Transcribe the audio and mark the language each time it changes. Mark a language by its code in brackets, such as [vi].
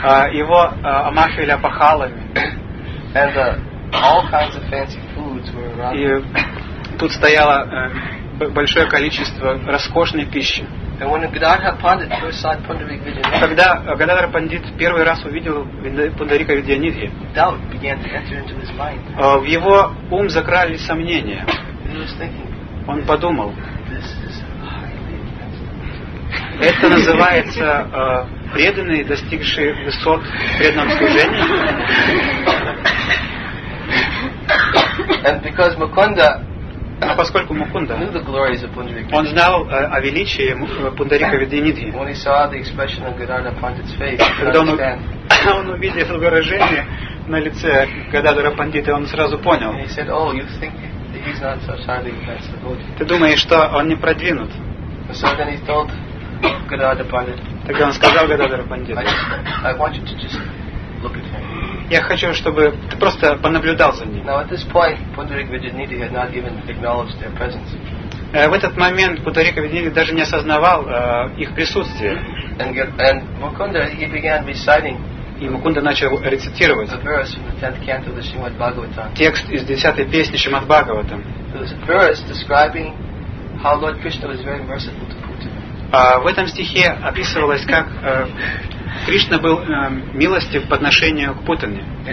[ru] Его омахивали опахалами. [en] And all kinds of fancy foods were around. [ru] И тут стояло большое количество роскошной пищи. [en] And when Gadadhar Pandit first saw Pundarika Vidyanidhi, [ru] когда Гададхар Пандит первый раз увидел Пундарика Видьянидхи, [en] doubt began to enter into his mind. [ru] В его ум закрались сомнения. Он подумал, это называется преданный, достигший высот в преданном служении. [en] And because Mukunda, [ru] а поскольку Мукунда, [en] knew the glories of Pundarika, [ru] он знал о величии Пундарика Видьянидхи. [en] When he saw the expression on Gadadhar Pandit's face, [ru] когда он увидел выражение на лице Гададхара Пандита, он сразу понял. [en] And he said, oh, you think he's not so highly advanced devotee. [ru] Ты думаешь, что он не продвинут? [en] So then he told Gadadhar Pandit, [ru] тогда он сказал Гададхара Пандиту, [en] I want you to just look at him. [ru] Я хочу, чтобы ты просто понаблюдал за ним. [en] Now, at this point, Pundarika Vidyanidhi had not even acknowledged their presence. [ru] В этот момент Пундарика Видьянидхи даже не осознавал их присутствие. [en] And Mukunda, he began reciting. [ru] И Мукунда начал рецитировать. [en] A verse from the 10th canto of the Shrimad Bhagavatam. [ru] Текст из 10-й песни Шримад Бхагаватам. [en] It was a verse describing how Lord Krishna was very merciful to Putin. [ru] В этом стихе описывалось, как Кришна был милостив по отношению к Путане.